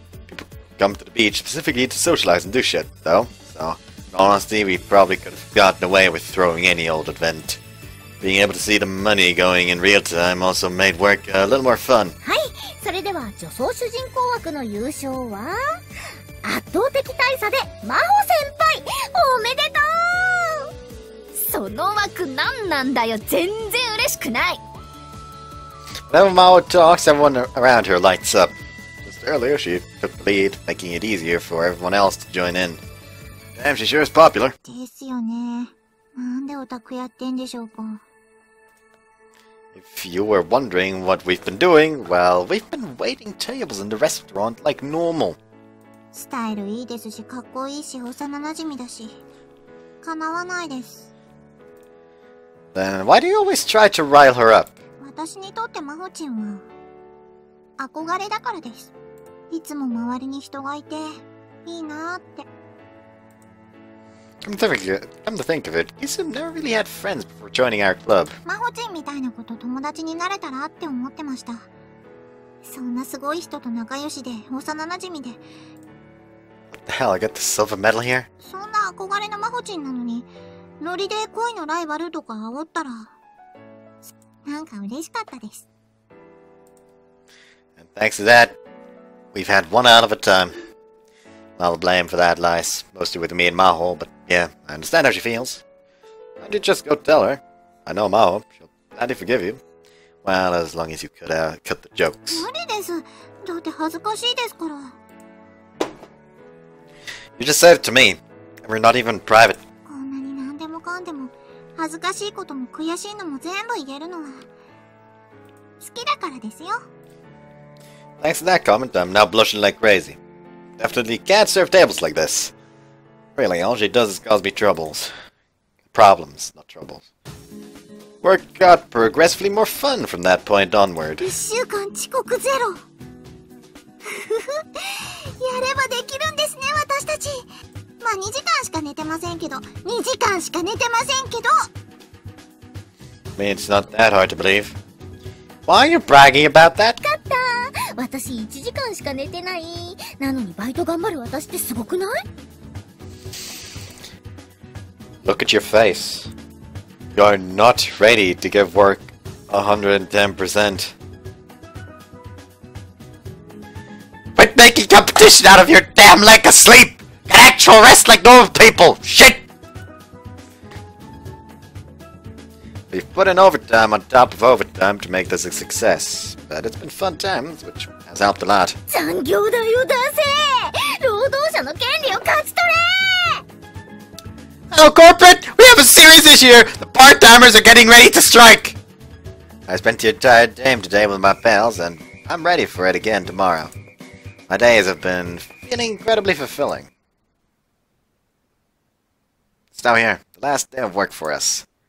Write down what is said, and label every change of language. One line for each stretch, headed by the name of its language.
English: People come to the beach specifically to socialize and do shit, though. So, in all honesty, we probably could have gotten away with throwing any old event. Being able to see the money going in real time also made work a little more fun.
Japanese: はい、それでは女装主人公枠の優勝は圧倒的大差で真帆先輩、おめでとう。その枠なんなんだよ、全然嬉しくない。
English: Whenever Mao talks, everyone around her lights up. Just earlier she took the lead, making it easier for everyone else to join in. Damn, she sure is popular.
Japanese: ですよね。なんでオタクやってんでしょうか。
English: If you were wondering what we've been doing, well, we've been waiting tables in the restaurant like normal.
Japanese: スタイルいいですし、かっこいいし、幼馴染だし、かなわないです。
English: Then why do you always try to rile her up?
Japanese: 私にとってマホチンは憧れだからです。いつも周りに人がいて、いいなって。
English: Come to think of it, Kisum never really had friends before joining our club.
Japanese: Maho-chan みたいなこと友達になれたらって思ってました。そんなすごい人と仲良しで、幼馴染で。
English: What the hell, I got the silver medal here?
Japanese: そんな憧れの Maho-chan なのに、ノリで恋のライバルとか煽ったら、なんか嬉しかったです。
English: And thanks to that, we've had one out of a time. All the blame for that lies mostly with me and Maho, but yeah, I understand how she feels. Why don't you just go tell her? I know Maho, she'll gladly forgive you. Well, as long as you cut the jokes.
Japanese: 無理です。だって恥ずかしいですから。
English: You just said it to me, and we're not even private.
Japanese: こんなに何でもかんでも、恥ずかしいことも悔しいのも全部言えるのは、好きだからですよ。
English: Thanks to that comment, I'm now blushing like crazy. Definitely can't serve tables like this. Really, all she does is cause me troubles. Problems, not troubles. Work got progressively more fun from that point onward.
Japanese: 1週間遅刻ゼロ。やればできるんですね、私たち。まあ、2時間しか寝てませんけど、2時間しか寝てませんけど。
English: I mean, it's not that hard to believe. Why are you bragging about that?
Japanese: 勝った。私1時間しか寝てない。なのにバイト頑張る私ってすごくない？
English: Look at your face. You are not ready to give work 110%. Quit making competition out of your damn lack of sleep! Get actual rest like normal people! Shit! We've put in overtime on top of overtime to make this a success. But it's been fun times, which has helped a lot.
Japanese: 残業代を出せ！労働者の権利を勝ち取れ！
English: Hello, corporate! We have a serious issue here! The part-timers are getting ready to strike! I spent the entire day today with my pals, and I'm ready for it again tomorrow. My days have been feeling incredibly fulfilling. It's now here, the last day of work for us.